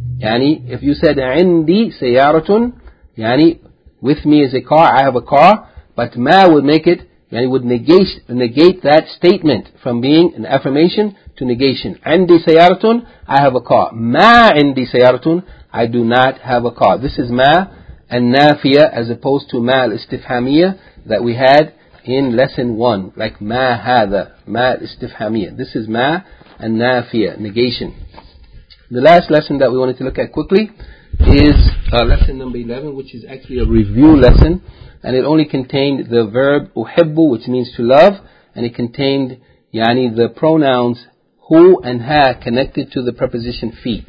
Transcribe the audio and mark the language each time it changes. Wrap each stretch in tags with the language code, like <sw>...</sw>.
<en>Yani if you said</en> <ar>indi sayaratun,</ar> <en>yani with me is a car, I have a car, but ma would make it, and it would negate that statement from being an affirmation to negation.</en> <ar>عندي سيارة,</ar> <en>I have a car.</en> <ar>ما عندي سيارة,</ar> <en>I do not have a car. This is ما النافية as opposed to ما الاستفهامية that we had in lesson 1.</en> <ar>Like ما هذا, ما الاستفهامية.</ar> <en>This is ما النافية, negation. The last lesson that we wanted to look at quickly is lesson number 11, which is actually a review lesson. And it only contained the verb uhibbu, which means to love, and it contained yani the pronouns hu and ha connected to the preposition fi.</en>